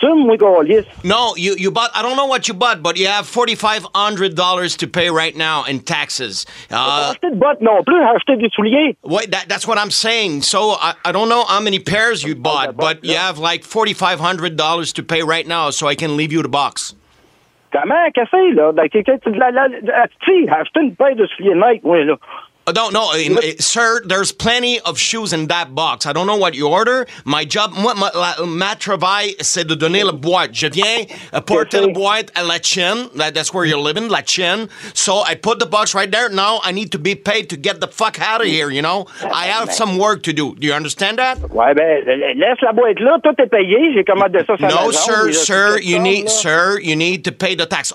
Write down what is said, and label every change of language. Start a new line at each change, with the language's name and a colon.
English: I don't know what you bought, but you have $4,500 to pay right now in taxes. That's what I'm saying. So I don't know how many pairs you bought, but you have like $4,500 to pay right now, so I can leave you the box.
French: Comment qu'est-ce là? Acheter une paire de souliers Nike, moi là.
English: No, sir, there's plenty of shoes in that box. I don't know what you order. My job,
French: ma travail, c'est de donner la boîte. Je viens porter la boîte à La Chine.
English: That's where you're living, La Chine. So I put the box right there. Now I need to be paid to get the fuck out of here, you know? I have some work to do. Do you understand that?
French: Ouais, ben, laisse la boîte là. Tout est payé. J'ai commandé ça.
English: No, sir, you need, sir, you need to pay the tax.